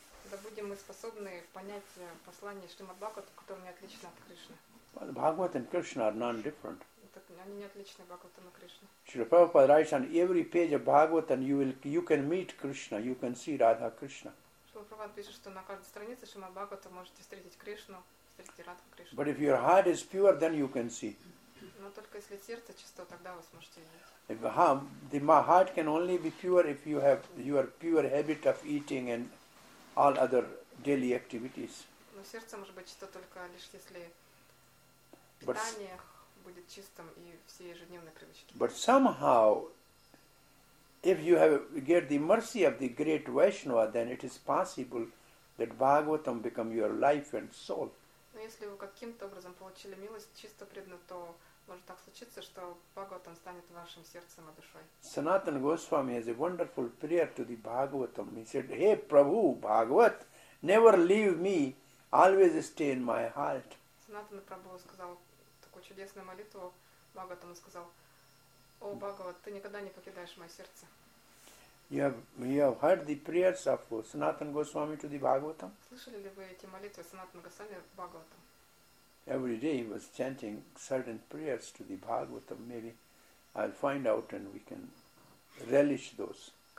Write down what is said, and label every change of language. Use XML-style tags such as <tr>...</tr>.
<ru>да будем мы способны понять послание Шримад Бхагаватам, которое не отлично от Кришны.</ru> <en>Well, Bhagavat and Krishna are none different.</en> <ru>Они не отличны Бхагаватам и Кришны.</ru> <en>Шрила Прабхупада writes on every page of Bhagavatam, you can meet Krishna, you can see Radha Krishna.</en> <ru>Шрила Прабхупада пишет, что на каждой странице Шримад Бхагаватам можете встретить Кришну, встретить Радху Кришну.</ru> <en>But if your heart is pure, then you can see.</en> <ru>Но только если сердце чисто, тогда вы сможете видеть.</ru> <en>The heart can only be pure if you have your pure habit of eating and all other daily activities.</en> <ru>Но сердце может быть чисто только лишь если питание будет чистым и все ежедневные привычки.</ru> <en>But somehow, if you get the mercy of the great Vaishnava, then it is possible that Bhagavatam become your life and soul.</en> <ru>Но если вы каким-то образом получили милость чисто преданно, то может так случиться, что Бхагаватам станет вашим сердцем и душой.</ru> <en>Sanatana Goswami has a wonderful prayer to the Bhagavatam. He said, Hey Prabhu, Bhagavat, never leave me, always stay in my heart.</en> <ru>Sanatana Prabhu сказал такую чудесную молитву Бхагаватам и сказал, О Бхагават, ты никогда не покидаешь мое сердце.</ru> <en>You have heard the prayers of Sanatana Goswami to the Bhagavatam?</en> <ru>Слышали ли вы эти молитвы Sanatana Goswami Бхагаватам?</ru> <en>Every day he was chanting certain prayers to the Bhagavatam. Maybe I'll find out and we can relish those.</en>